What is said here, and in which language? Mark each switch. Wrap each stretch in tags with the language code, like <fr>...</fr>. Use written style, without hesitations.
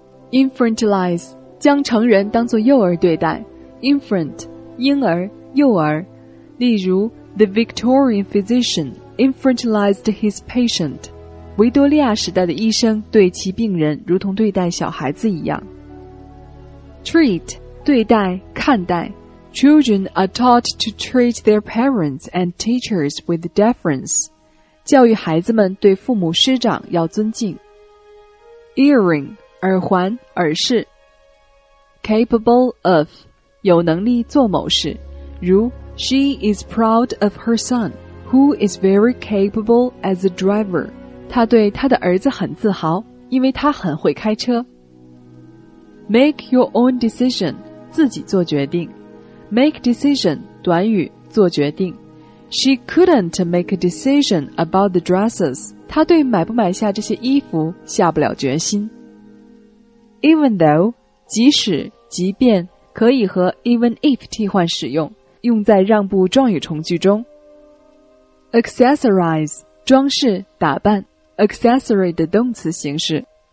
<zh>Infantilize 将成人当作幼儿对待。</zh> <en>Infant</en> <zh>婴儿，幼儿。例如</zh> <en>The Victorian physician infantilized his patient.</en> <zh>维多利亚时代的医生对其病人如同对待小孩子一样。 Treat 对待，看待。</zh> <en>Children are taught to treat their parents and teachers with deference.</en> <zh>教育孩子们对父母师长要尊敬。 Earring, 耳环、耳饰。</zh> <en>Capable of,</en> <zh>有能力做某事。如</zh> <en>She is proud of her son, who is very capable as a driver.</en> <zh>她对她的儿子很自豪，因为他很会开车。</zh> <en>Make your own decision,</en> <zh>自己做决定。</zh> <en>Make decision,</en> <zh>短语，做决定。</zh> <en>She couldn't make a decision about the dresses.</en> <zh>她对买不买下这些衣服下不了决心。</zh> <en>Even though,</en> <zh>即使，即便，可以和</zh> <en>even if</en> <zh>替换使用，用在让步状语从句中。 Accessorize, 装饰，打扮。Accessory 的动词形式。</zh>